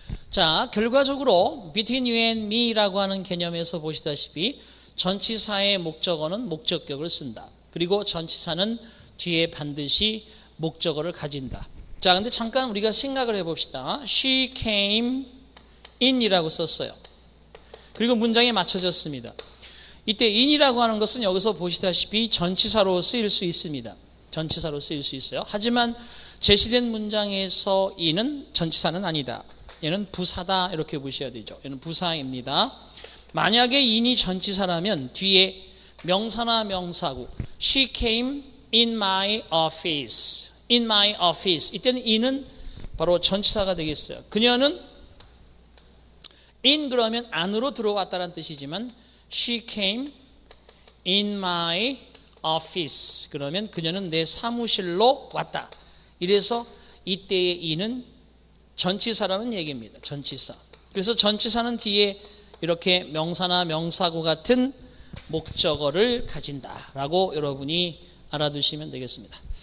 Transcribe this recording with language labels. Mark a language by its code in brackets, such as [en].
[ko] 자, 결과적으로 between you and me라고 하는 개념에서 보시다시피 전치사의 목적어는 목적격을 쓴다. 그리고 전치사는 뒤에 반드시 목적어를 가진다. 자, 근데 잠깐 우리가 생각을 해봅시다. [en] She came in이라고 [ko] 썼어요. 그리고 문장에 맞춰졌습니다. 이때 in이라고 하는 것은 여기서 보시다시피 전치사로 쓰일 수 있습니다. 전치사로 쓰일 수 있어요. 하지만 제시된 문장에서 in은 전치사는 아니다. 얘는 부사다 이렇게 보셔야 되죠. 얘는 부사입니다. 만약에 in이 전치사라면 뒤에 명사나 명사구 [en] She came in my office. In my office. [ko] 이때는 in은 바로 전치사가 되겠어요. 그녀는 in 그러면 안으로 들어왔다는 뜻이지만 [en] She came in my office. [ko] 그러면 그녀는 내 사무실로 왔다. 이래서 이때의 in은 전치사라는 얘기입니다. 전치사. 그래서 전치사는 뒤에 이렇게 명사나 명사구 같은 목적어를 가진다라고 여러분이 알아두시면 되겠습니다.